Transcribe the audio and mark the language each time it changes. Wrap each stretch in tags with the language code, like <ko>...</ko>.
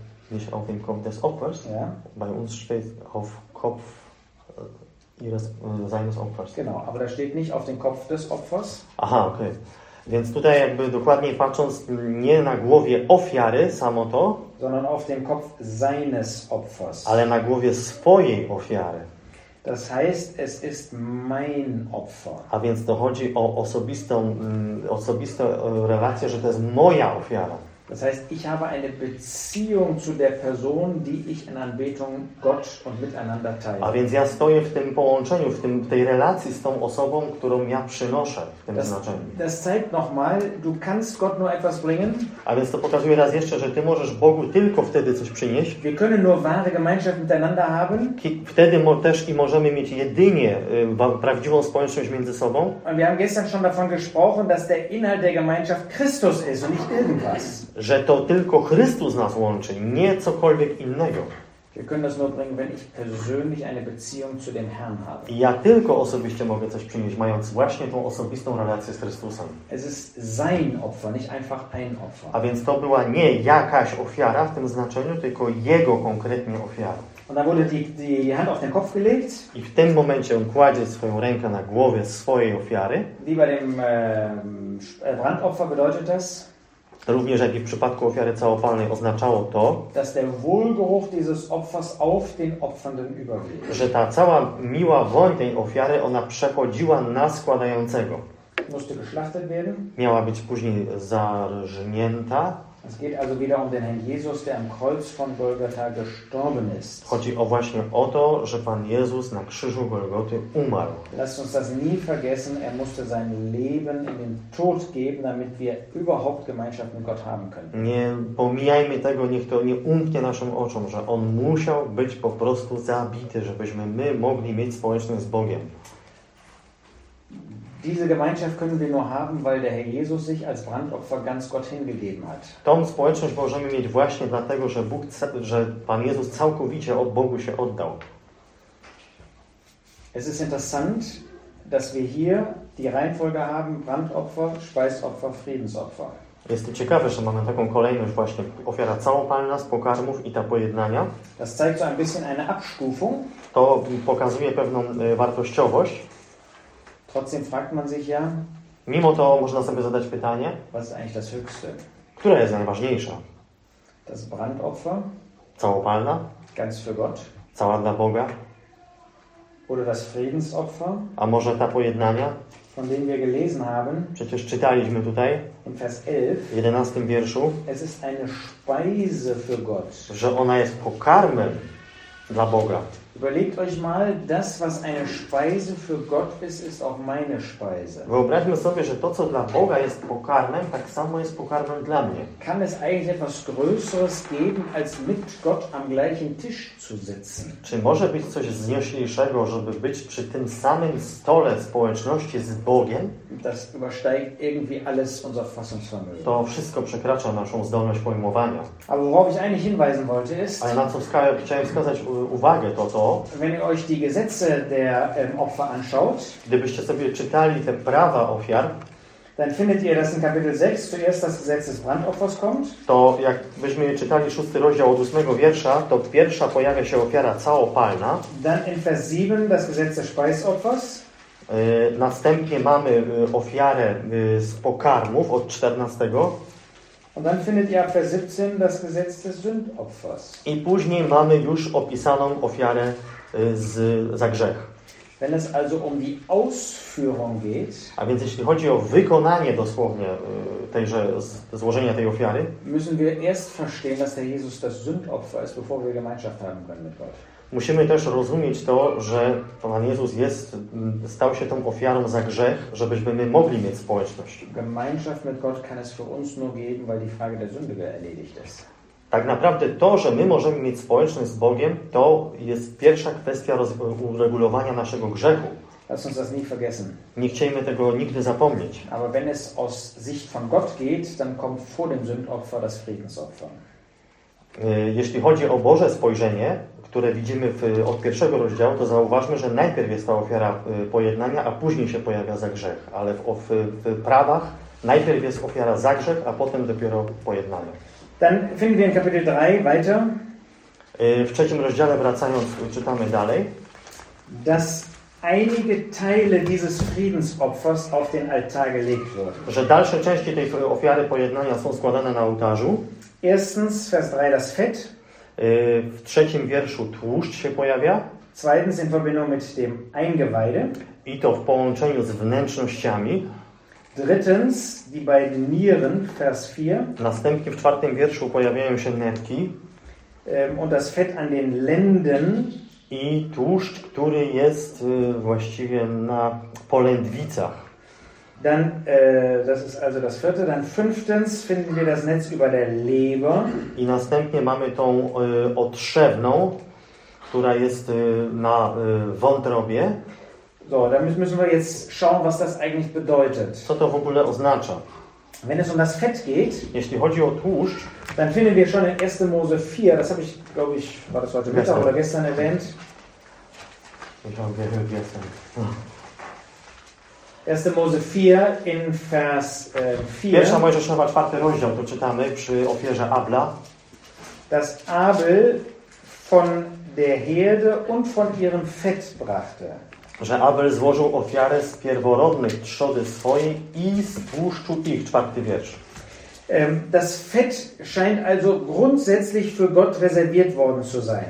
<de>Nicht auf den Kopf des Opfers. Ja. Bei uns steht auf Kopf ihres, seines Opfers. Genau, aber da steht nicht auf den Kopf des Opfers. Aha, okay.</de> <pl>Więc tutaj jakby dokładniej patrząc nie na głowie ofiary samo to,</pl> <de>sondern auf dem Kopf seines Opfers.</de> <pl>Ale na głowie swojej ofiary.</pl> <de>Das heißt, es ist mein Opfer.</de> <pl>A więc to chodzi o osobistą, osobistą relację, że to jest moja ofiara.</pl> <de>Das heißt, ich habe eine Beziehung zu der Person, die ich in Anbetung Gott und miteinander teile.</de> <pl>A więc ja stoję w tym połączeniu, w tym, tej relacji z tą osobą, którą ja przynoszę w tym znaczeniu.</pl> <de>Das zeigt nochmal, du kannst Gott nur etwas bringen.</de> <pl>A więc to pokazuje raz jeszcze, że ty możesz Bogu tylko wtedy coś przynieść.</pl> <de>Wir können nur wahre Gemeinschaft miteinander haben.</de> <pl>Wtedy też i możemy mieć jedynie prawdziwą społeczność między sobą.</pl> <de>Und wir haben gestern schon davon gesprochen, dass der Inhalt der Gemeinschaft Christus ist und nicht irgendwas.</de> <pl>Że to tylko Chrystus nas łączy, nie cokolwiek innego.</pl> <de>Wir können das nur bringen, wenn ich persönlich eine Beziehung zu dem Herrn habe.</de> <pl>Ja tylko osobiście mogę coś przynieść, mając właśnie tą osobistą relację z Chrystusem.</pl> <de>Es ist sein Opfer, nicht einfach ein Opfer.</de> <pl>A więc to była nie jakaś ofiara w tym znaczeniu, tylko jego konkretnie ofiara.</pl> <de>Und dann wurde die Hand auf den Kopf gelegt.</de> <pl>I w tym momencie on kładzie swoją rękę na głowie swojej ofiary.</pl> <de>Wie bei dem Brandopfer bedeutet das?</de> <pl>Również jak i w przypadku ofiary całopalnej oznaczało to,</pl> <de>dass der Wohlgeruch dieses Opfers auf den Opfernden überwiegt.</de> <pl>Że ta cała miła woń tej ofiary, ona przechodziła na składającego.</pl> <de>Musste geschlachtet werden.</de> <pl>Miała być później zarżnięta.</pl> <de>Es geht also wieder um den Herrn Jesus, der am Kreuz von Golgatha gestorben ist.</de> <pl>Chodzi o właśnie o to, że Pan Jezus na krzyżu Golgoty umarł.</pl> <de>Lasst uns das nie vergessen, er musste sein Leben in den Tod geben, damit wir überhaupt Gemeinschaft mit Gott haben können.</de> <pl>Nie pomijajmy tego, niech to nie umknie naszym oczom, że on musiał być po prostu zabity, żebyśmy my mogli mieć społeczność z Bogiem.</pl> <de>Diese Gemeinschaft können wir nur haben, weil der Herr Jesus sich als Brandopfer ganz Gott hingegeben hat.</de> <pl>Tą społeczność możemy mieć właśnie dlatego, że Bóg, że Pan Jezus całkowicie od Bogu się oddał.</pl> <de>Es ist interessant, dass wir hier die Reihenfolge haben: Brandopfer, Speisopfer, Friedensopfer.</de> <pl>Jest to ciekawe, że mamy taką kolejność właśnie: ofiara całopalna z pokarmów i ta pojednania.</pl> <de>Das zeigt so ein bisschen eine Abstufung.</de> <pl>To pokazuje pewną wartościowość.</pl> <de>Trotzdem fragt man sich ja.</de> <pl>Mimo to można sobie zadać pytanie.</pl> <de>Was ist eigentlich das höchste?</de> <pl>Która jest najważniejsza?</pl> <de>Das Brandopfer?</de> <pl>Całopalna?</pl> <de>Ganz für Gott?</de> <pl>Cała dla Boga?</pl> <de>Oder das Friedensopfer?</de> <pl>A może ta pojednania?</pl> <de>Von dem wir gelesen haben.</de> <pl>Przecież czytaliśmy tutaj.</pl> <de>In Vers 11.</de> <pl>W 11 wierszu.</pl> <de>Es ist eine Speise für Gott.</de> <pl>Że ona jest pokarmem dla Boga.</pl> <de>Überlegt euch mal, das, was eine Speise für Gott ist, ist auch meine Speise.</de> <pl>Wyobraźmy sobie, że to, co dla Boga jest pokarmem, tak samo jest pokarmem dla mnie.</pl> <de>Kann es eigentlich etwas Größeres geben, als mit Gott am gleichen Tisch zu sitzen?</de> <pl>Czy może być coś znośniejszego, żeby być przy tym samym stole społeczności z Bogiem?</pl> <de>Das übersteigt irgendwie alles unser Fassungsvermögen.</de> <pl>To wszystko przekracza naszą zdolność pojmowania.</pl> <de>Aber worauf ich eigentlich hinweisen wollte, ist...</de> <pl>Ale na co chciałem wskazać uwagę, to</pl> <de>wenn ihr euch die Gesetze der Opfer anschaut,</de> <pl>gdybyście sobie czytali te prawa ofiar,</pl> <de>dann findet ihr, dass in Kapitel 6 zuerst das Gesetz des Brandopfers kommt.</de> <pl>To jakbyśmy czytali 6 rozdział od 8 wiersza, to pierwsza pojawia się ofiara całopalna.</pl> <de>Dann in Vers 7 das Gesetz des Speisopfers.</de> <pl>Następnie mamy ofiarę z pokarmów od 14.</pl> <de>Und dann findet ihr ab Vers 17 das Gesetz des Sündopfers.</de> <pl>I później mamy już opisaną ofiarę za grzech.</pl> <de>Wenn es also um die Ausführung geht,</de> <pl>a więc jeśli chodzi o wykonanie dosłownie tejże złożenia tej ofiary,</pl> <de>müssen wir erst verstehen, dass der Jesus das Sündopfer ist, bevor wir Gemeinschaft haben können mit Gott.</de> <pl>Musimy też rozumieć to, że Pan Jezus jest, stał się tą ofiarą za grzech, żebyśmy my mogli mieć społeczność.</pl> <de>Gemeinschaft mit Gott kann es für uns nur geben, weil die Frage der Sünde erledigt ist.</de> <pl>Tak naprawdę to, że my możemy mieć społeczność z Bogiem, to jest pierwsza kwestia uregulowania naszego grzechu.</pl> <de>Lass uns das nie vergessen.</de> <pl>Nie chcemy tego nigdy zapomnieć.</pl> <de>Aber wenn es aus Sicht von Gott geht, dann kommt vor dem Sündopfer das Friedensopfer.</de> <pl>Jeśli chodzi o Boże spojrzenie, które widzimy od pierwszego rozdziału, to zauważmy, że najpierw jest ta ofiara pojednania, a później się pojawia za grzech. Ale w prawach najpierw jest ofiara za grzech, a potem dopiero pojednanie.</pl> <de>Dann finden wir in Kapitel 3 weiter.</de> <pl>W trzecim rozdziale wracając, czytamy dalej.</pl> <de>Dass einige Teile dieses Friedensopfers auf den Altar gelegt wurden.</de> <pl>Że dalsze części tej ofiary pojednania są składane na ołtarzu.</pl> <de>Erstens, Vers 3, das Fett.</de> <pl>W trzecim wierszu tłuszcz się pojawia.</pl> <de>Zweitens in Verbindung mit dem Eingeweide.</de> <pl>I to w połączeniu z wnętrznościami.</pl> <de>Drittens die beiden Nieren, Vers 4.</de> <pl>Następnie w czwartym wierszu pojawiają się nerki.</pl> <de>Und das Fett an den Lenden.</de> <pl>I tłuszcz, który jest właściwie na polędwicach.</pl> <de>Dann, das ist also das vierte. Dann fünftens finden wir das Netz über der Leber.</de> <pl>I następnie mamy tą otrzewną, która jest na wątrobie.</pl> <de>So, damit müssen wir jetzt schauen, was das eigentlich bedeutet.</de> <pl>Co to w ogóle oznacza?</pl> <de>Wenn es um das Fett geht,</de> <pl>jeśli chodzi o tłuszcz,</pl> <de>dann finden wir schon in 1. Mose 4, das habe ich, glaube ich, war das heute Mittag oder gestern erwähnt. Ich habe gehört gestern. 1. Mose 4 in Vers 4.</de> <pl>Pierwsza Mojżeszowa, 4 rozdział, to czytamy przy ofierze Abla.</pl> <de>Dass Abel von der Herde und von ihrem Fett brachte.</de> <pl>Że Abel złożył ofiarę z pierworodnych trzody swojej i z tłuszczu ich. 4. wiersz.</pl> <de>Das Fett scheint also grundsätzlich für Gott reserviert worden zu sein.</de>